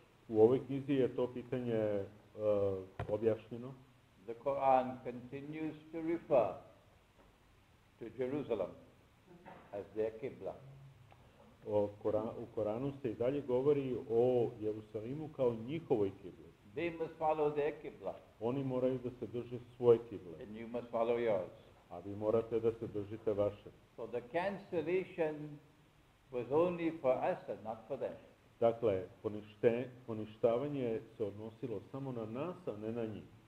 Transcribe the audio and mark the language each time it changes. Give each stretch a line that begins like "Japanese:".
Serbian: U ovoj knjizi je to pitanje objašnjeno.
English: The Quran continues to refer to Jerusalem as their Qibla.
Serbian: U Koranu se i dalje govori o Jerusalimu kao njihovoj Qibli.
English: They must follow their Qibla.
Serbian: Oni moraju da se drže svoje Qibli.
English: And you must follow yours.
Serbian: A vi morate da se držite vaše.
English: So the cancellation was only for us and not for them.
Serbian: Dakle, poništavanje se odnosilo samo na nas, a ne na njih.